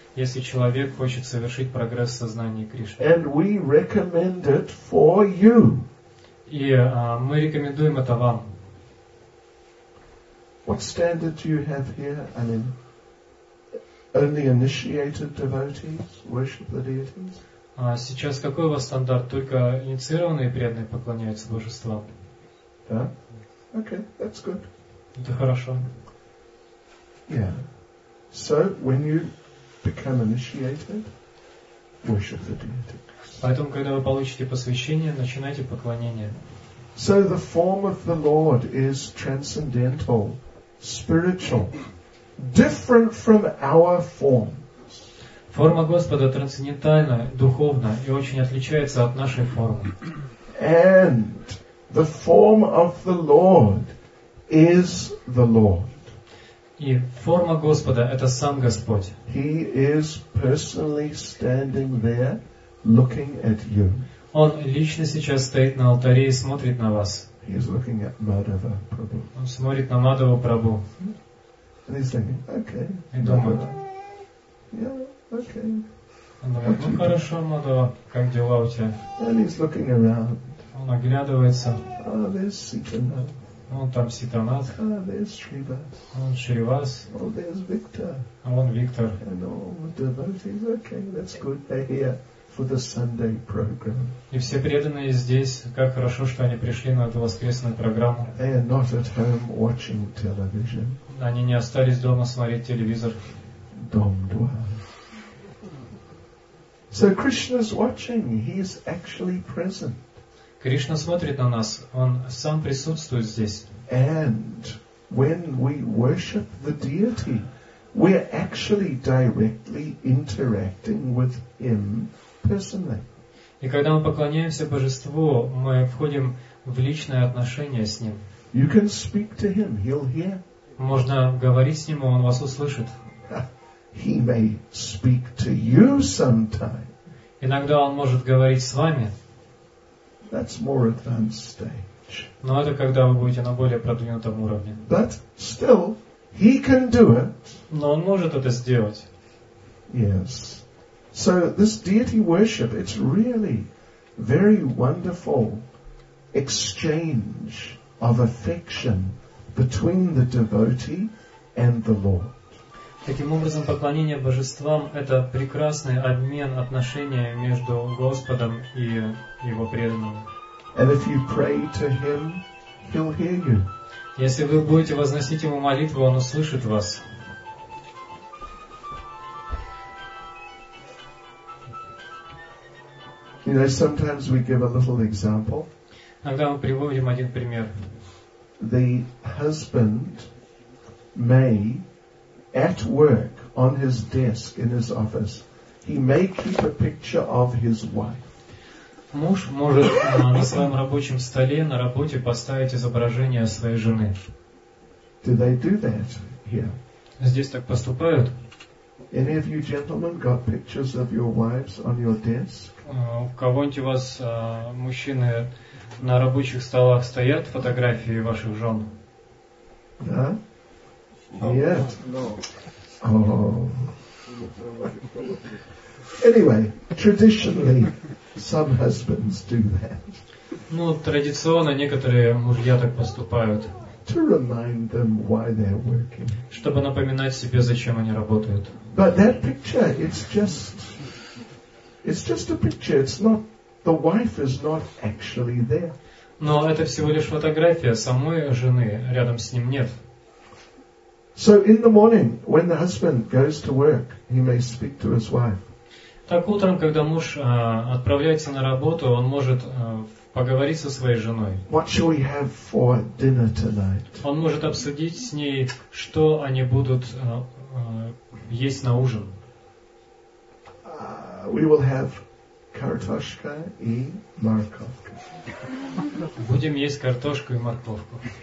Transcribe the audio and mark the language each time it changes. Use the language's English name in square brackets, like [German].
[Russian] если человек хочет совершить прогресс в сознании Кришны. [English] And we recommend it for you. [Russian] И мы рекомендуем это вам. [English] What standard do you have here? I mean, only initiated devotees worship the deities? [Russian] А сейчас какой у вас стандарт? Только инициированные преданные поклоняются божествам? Да? [English] Okay, that's good. [Russian] Это хорошо. [English] Yeah. So, when you become initiated, worship the deity. [Russian] Поэтому, когда вы получите посвящение, начинайте поклонение. [English] So, the form of the Lord is transcendental, spiritual, different from our form. [Russian] Форма Господа трансцендентальна, духовна и очень отличается от нашей формы. [English] And the form of the Lord is the Lord. [Russian] И форма Господа – это сам Господь. [English] He is personally standing there looking at you. [Russian] Он лично сейчас стоит на алтаре и смотрит на вас. [English] He is looking at Madhava Prabhu. [Russian] Он смотрит на Мадхава Прабху. [English] And he's thinking, okay. [Russian] И думает, [English] okay. [Russian] Ну хорошо, Мадхава, как дела у тебя? [English] And he's looking around. [Russian] Он оглядывается. [English] Oh, there's Sitanath. [Russian] Вон там Ситанат. [English] Oh, there's Шривас. [Russian] Вон Шривас. [English] Oh, there's Victor. [Russian] А вон Виктор. [English] And all the devotees, okay, that's good. They're here for the Sunday program. [Russian] И все преданные здесь. Как хорошо, что они пришли на эту воскресную программу. [English] They are not at home watching television. [Russian] Они не остались дома смотреть телевизор. Дом два. [English] So Krishna's watching. He is actually present. [Russian] Кришна смотрит на нас. Он сам присутствует здесь. [English] And when we worship the deity, we are actually directly interacting with him personally. [Russian] И когда мы поклоняемся божеству, мы входим в личное отношение с ним. [English] You can speak to him. He'll hear. [Russian] Можно говорить с ним, он вас услышит. [English] He may speak to you sometime. [Russian] Иногда он может говорить с вами. [English] That's more advanced stage. [Russian] Но это когда вы будете на более продвинутом уровне. [English] But still, he can do it. [Russian] Но он может это сделать. [English] Yes. So this deity worship, it's really very wonderful exchange of affection between the devotee and the Lord. [Russian] Таким образом, поклонение божествам – это прекрасный обмен отношения между Господом и Его преданным. [English] And if you pray to him, he'll hear you. [Russian] Если вы будете возносить Ему молитву, Он услышит вас. [English] You know, sometimes we give a little example. [Russian] Иногда мы приводим один пример. [English] The husband may at work, on his desk, in his office, he may keep a picture of his wife. [Russian] Муж может на своем рабочем столе, на работе поставить изображение своей жены. [English] Do they do that here? [Russian] Здесь так поступают? [English] Any of you gentlemen got pictures of your wives on your desk? [Russian] У кого-нибудь у вас, мужчины, на рабочих столах стоят фотографии ваших жен? Да? [English] Yet. No. Oh. Anyway, traditionally, some husbands do that. [Russian] Ну, традиционно некоторые мужья так поступают. [English] To remind them why they're working. [Russian] Чтобы напоминать себе, зачем они работают. [English] But that picture, it's just a picture. It's not the wife is not actually there. [Russian] Но это всего лишь фотография самой жены. Рядом с ним нет. [English] So in the morning, when the husband goes to work, he may speak to his wife. [Russian] Так утром, когда муж отправляется на работу, он может поговорить со своей женой. [English] What shall we have for dinner tonight? [Russian] Он может обсудить с ней, что они будут есть на ужин. [English] We will have [Russian] картошка и морковка. Будем есть картошку и морковку.